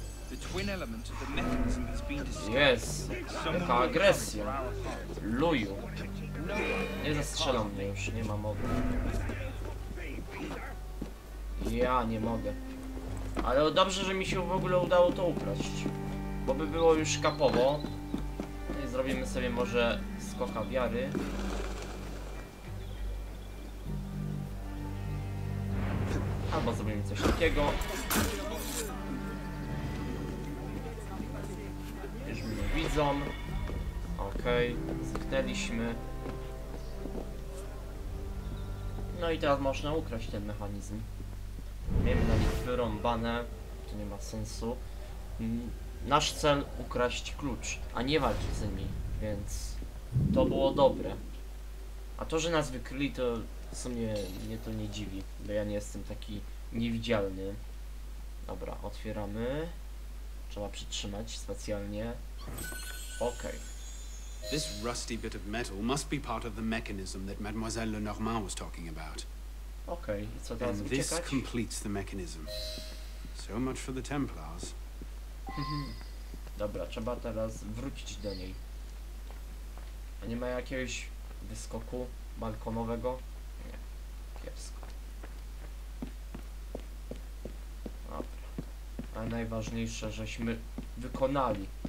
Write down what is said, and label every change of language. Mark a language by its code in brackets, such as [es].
[en] The twin element of the mechanism has been discovered. [pl] Yes. Jaka agresja. Luju. Nie zastrzelam mnie już, nie mam mowy. Ja nie mogę. Ale dobrze, że mi się w ogóle udało to ukraść. Bo by było już kapowo. I zrobimy sobie może skoka wiary. Albo zrobimy coś takiego. Już mnie widzą. Okej, zniknęliśmy. No i teraz można ukraść ten mechanizm. Miejmy na nich wyrąbane, to nie ma sensu. Nasz cel ukraść klucz, a nie walczyć z nimi, więc to było dobre. A to, że nas wykryli, to w sumie mnie to nie dziwi, bo ja nie jestem taki niewidzialny. Dobra, otwieramy. Trzeba przytrzymać specjalnie. Okej. [en] This rusty bit of metal must be part of the mechanism that Mademoiselle Lenormand was talking about. Okay, so that's and this completes the mechanism. So much for the Templars. [pl] Dobra, trzeba teraz wrócić do niej. A nie ma jakiegoś wyskoku balkonowego? Nie. Kiepsko. Dobra. A najważniejsze, żeśmy wykonali.